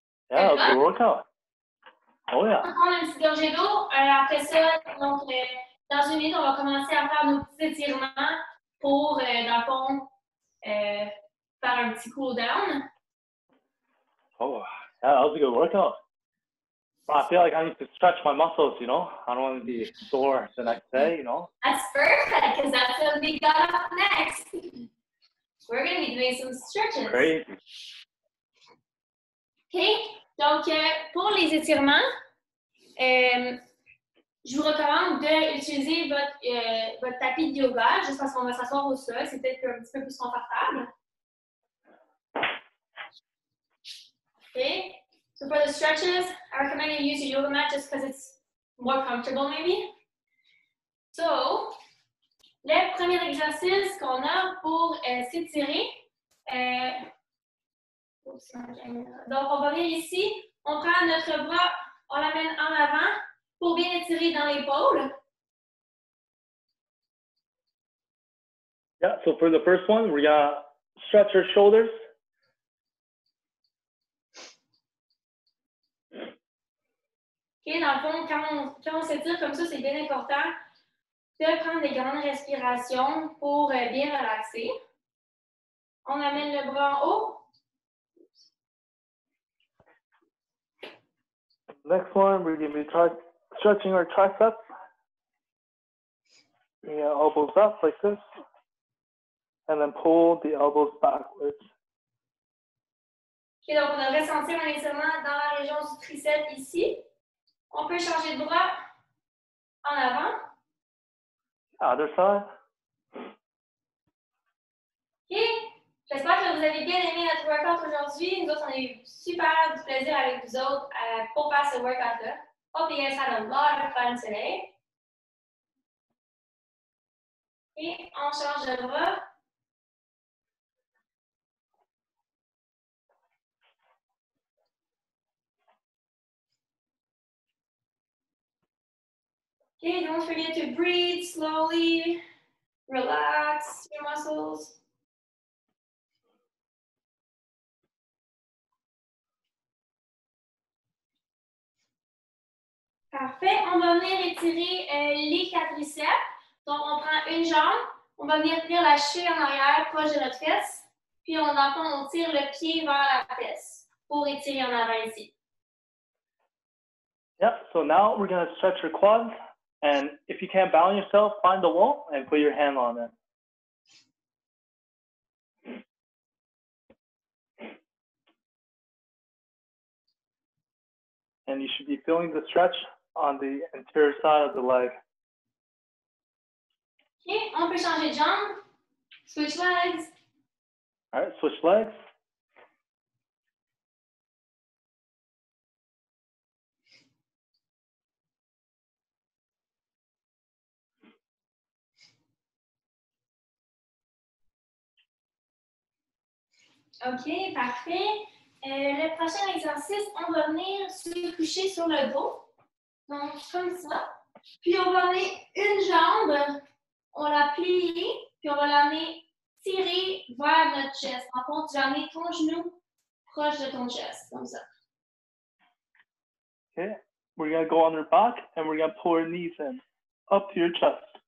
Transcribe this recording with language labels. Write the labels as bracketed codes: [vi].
[en] Yeah, it was a workout. Oh, yeah. [fr] On va prendre une petite gorgée d'eau. Après ça, donc, dans une minute, on va commencer à faire nos petits étirements pour, dans le fond, faire un petit cool down. [en] Oh, yeah, that was a good workout. I feel like I need to stretch my muscles, you know? I don't want to be sore the next day, you know? That's perfect, because that's what we got up next. We're going to be doing some stretches. Crazy. [fr] Okay, donc pour les étirements, Je vous recommande d'utiliser votre tapis de yoga juste parce qu'on va s'asseoir au sol. C'est peut-être un petit peu plus confortable. [en] Okay. So for the stretches, I recommend you use your yoga mat just because it's more comfortable maybe. [fr] So, le premier exercice qu'on a pour s'étirer. Donc, on va venir ici. On prend notre bras, on l'amène en avant. Pour bien étirer dans l'épaule. [en] Yeah, so for the first one, we're gonna stretch our shoulders. [fr] OK, dans le fond, quand on s'étire comme ça, c'est bien important de prendre des grandes respirations pour bien relaxer. On amène le bras en haut. [en] Next one, we're gonna try stretching our tricep. Bring our elbows up like this. And then pull the elbows backwards. [fr] Okay, donc on devrait sentir un étirement dans la région du tricep ici. On peut changer de bras en avant. [en] Other side. [fr] Okay, j'espère que vous avez bien aimé notre workout aujourd'hui. Nous autres, on a eu super du plaisir avec vous autres pour faire ce workout là. [en] Hope you guys had a lot of fun today. [fr] Et on change de bras. [en] Okay, don't forget to breathe slowly. Relax your muscles. [fr] Parfait, on va venir étirer les quadriceps. Donc, on prend une jambe, on va venir tenir la cheville en arrière, proche de notre fesse. Puis, on, dans le fond, on tire le pied vers la fesse pour étirer en avant ici. [en] Yep, so now we're going to stretch your quads. And if you can't balance yourself, find the wall and put your hand on it. And you should be feeling the stretch on the anterior side of the leg. [fr] Okay, on peut changer de jambe. [en] Switch legs. All right, switch legs. [fr] Okay, parfait. Le prochain exercice, on va venir se coucher sur le dos. Donc, comme ça. Puis, on va amener une jambe, on la plie, puis on va l'amener tirer vers notre chest. En fait, tu vas amener ton genou proche de ton chest, comme ça. [en] Okay. We're going to go on our back and we're going to pull our knees in, up to your chest.